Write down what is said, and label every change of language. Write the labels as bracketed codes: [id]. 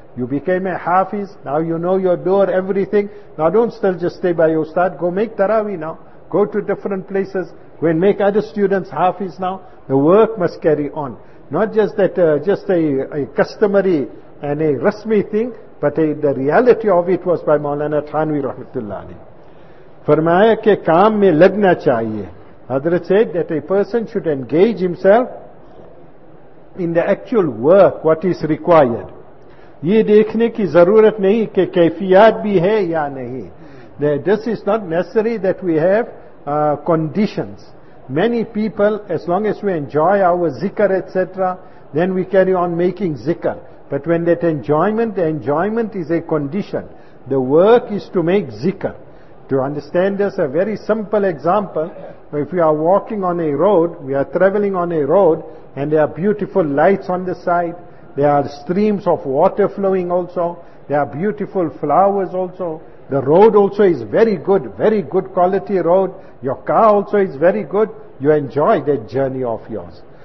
[en] You became a hafiz, now you know your door, everything. Now don't still just stay by your ustad. Go make tarawih now. Go to different places. Go and make other students hafiz now. The work must carry on. Not just that, just a customary and a rasmi thing, but the reality of it was by Maulana Thanvi Rahmatullah Ali. [ur] فرمایا کہ کام میں لگنا چاہیے. [en] Hazrat said that a person should engage himself in the actual work, what is required. [ur] یہ دیکھنے کی ضرورت نہیں کہ کیفیات بھی ہے یا نہیں. [en] This is not necessary that we have conditions. Many people, as long as we enjoy our zikr, etc., then we carry on making zikr. But when that enjoyment, the enjoyment is a condition. The work is to make zikr. To understand this, a very simple example, if we are walking on a road, we are traveling on a road, and there are beautiful lights on the side, there are streams of water flowing also, there are beautiful flowers also, the road also is very good quality road, your car also is very good, you enjoy that journey of yours.